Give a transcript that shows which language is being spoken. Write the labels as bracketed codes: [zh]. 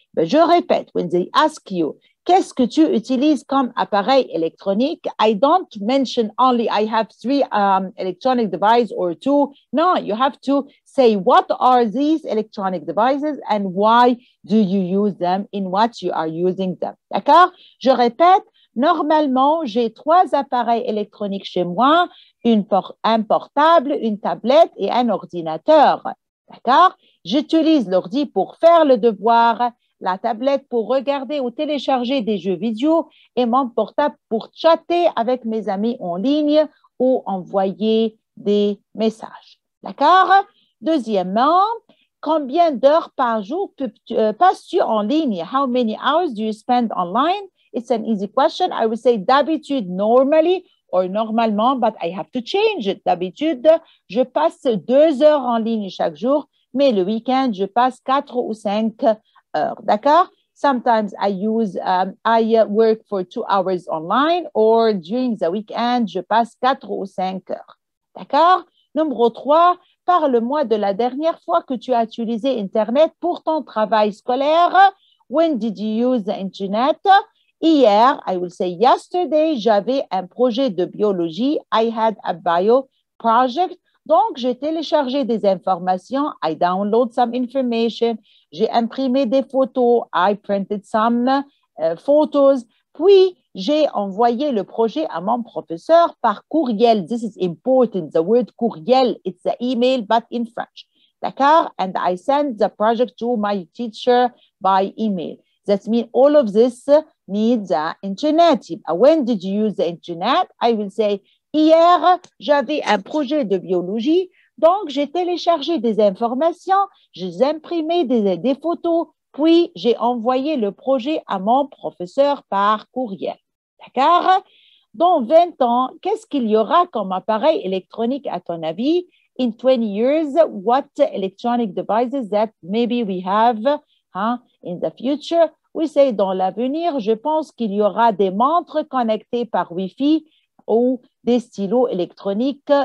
[fr] Ben, je répète, [en] when they ask you, [fr] qu'est-ce que tu utilises comme appareil électronique? [en] I don't mention only I have 3 electronic devices or 2. No, you have to say what are these electronic devices and why do you use them, in what you are using them. [fr] D'accord? Je répète, normalement, j'ai 3 appareils électroniques chez moi, un portable, une tablette et un ordinateur. D'accord? J'utilise l'ordi pour faire le devoir, la tablette pour regarder ou télécharger des jeux vidéo et mon portable pour chatter avec mes amis en ligne ou envoyer des messages. D'accord? Deuxièmement, combien d'heures par jour passes-tu en ligne? [en] How many hours do you spend online? It's an easy question. I would say [fr] d'habitude, [en] normally, or normalement, but I have to change it. [fr] D'habitude, je passe 2 heures en ligne chaque jour. Mais le week-end, je passe 4 ou 5 heures, d'accord? [en] Sometimes I work for 2 hours online or during the weekend, [fr] je passe 4 ou 5 heures, d'accord? Numéro 3, parle-moi de la dernière fois que tu as utilisé Internet pour ton travail scolaire. [en] When did you use the Internet? [fr] Hier, [en] I will say yesterday, [fr] j'avais un projet de biologie. [en] I had a bio project. [fr] Donc, j'ai téléchargé des informations, [en] I download some information, [fr] j'ai imprimé des photos, [en] I printed some photos, [fr] puis j'ai envoyé le projet à mon professeur par courriel. [en] This is important, the word courriel, it's the email, but in French. [fr] D'accord? [en] And I sent the project to my teacher by email. That means all of this needs the internet. When did you use the internet? I will say, [fr] hier, j'avais un projet de biologie, donc j'ai téléchargé des informations, j'ai imprimé des photos, puis j'ai envoyé le projet à mon professeur par courriel. D'accord? Dans 20 ans, qu'est-ce qu'il y aura comme appareil électronique à ton avis? [en] In 20 years, what electronic devices that maybe we have in the future? We say, [fr] dans l'avenir, je pense qu'il y aura des montres connectées par Wi-Fi ou des stylos électroniques.